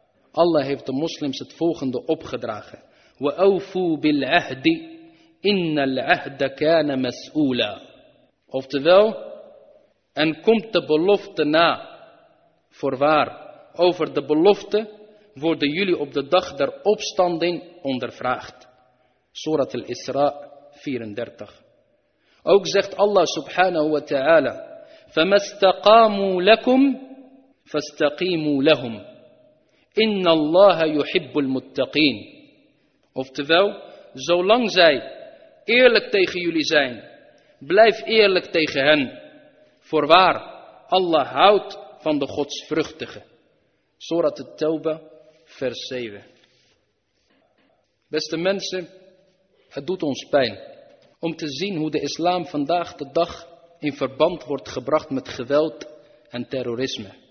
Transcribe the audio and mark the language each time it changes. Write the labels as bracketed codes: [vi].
[nl] Allah heeft de moslims het volgende opgedragen: [ar] wa awfu bil ahdi, inna al ahda kana mas'oola. [nl] Oftewel, en komt de belofte na, voorwaar, over de belofte worden jullie op de dag der opstanding ondervraagd. Surat al-Isra 34. Ook zegt Allah subhanahu wa ta'ala: [ar] فَمَسْتَقَامُوا لَكُمْ فَاسْتَقِيمُوا لَهُمْ إِنَّ اللَّهَ يُحِبُّ الْمُتَّقِينَ. [nl] Oftewel, zolang zij eerlijk tegen jullie zijn, blijf eerlijk tegen hen. Voorwaar, Allah houdt van de godsvruchtige. Surat al-Tawbah, vers 7. Beste mensen, het doet ons pijn om te zien hoe de islam vandaag de dag in verband wordt gebracht met geweld en terrorisme.